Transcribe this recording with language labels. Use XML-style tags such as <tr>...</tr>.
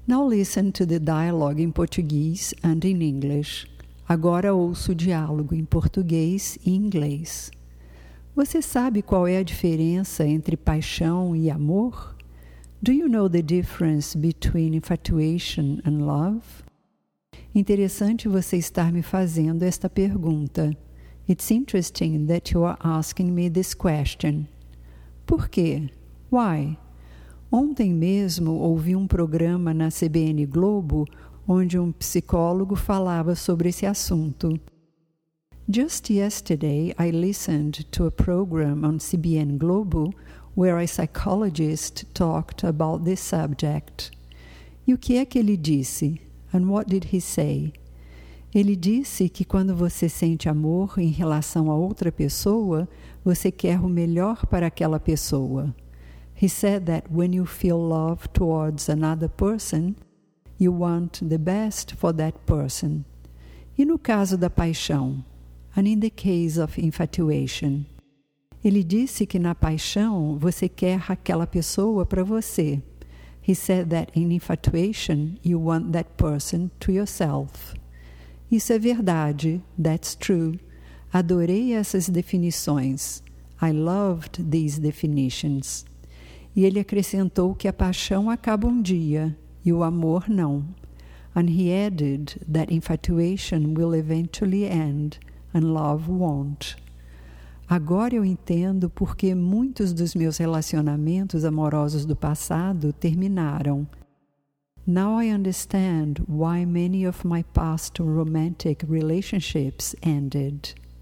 <en>Listen to the dialogue in Portuguese and in English.</en> <pt>Agora ouço o diálogo em português e inglês. Você sabe qual é a diferença entre paixão e amor?</pt> <en>Do you know the difference between infatuation and love?</en> <pt>Interessante você estar me fazendo esta pergunta.</pt> <en>It's interesting that you are asking me this question.</en> <pt>Por quê?</pt> <en>Why?</en> <pt>Ontem mesmo ouvi um programa na CBN Globo onde um psicólogo falava sobre esse assunto.</pt> <en>Just yesterday I listened to a program on CBN Globo where a psychologist talked about this subject.</en> <pt>E o que é que ele disse?</pt> <en>And what did he say?</en> <pt>Ele disse que quando você sente amor em relação a outra pessoa, você quer o melhor para aquela pessoa.</pt> <en>He said that when you feel love towards another person, you want the best for that person.</en> <pt>E no caso da paixão?</pt> <en>And in the case of infatuation?</en> <pt>Ele disse que na paixão você quer aquela pessoa para você.</pt> <en>He said that in infatuation you want that person to yourself.</en> <pt>Isso é verdade.</pt> <en>That's true.</en> <pt>Adorei essas definições.</pt> <en>I loved these definitions.</en> <pt>E ele acrescentou que a paixão acaba um dia e o amor não.</pt> <en>And he added that infatuation will eventually end and love won't.</en> <pt>Agora eu entendo porque muitos dos meus relacionamentos amorosos do passado terminaram.</pt> <en>Now I understand why many of my past romantic relationships ended.</en>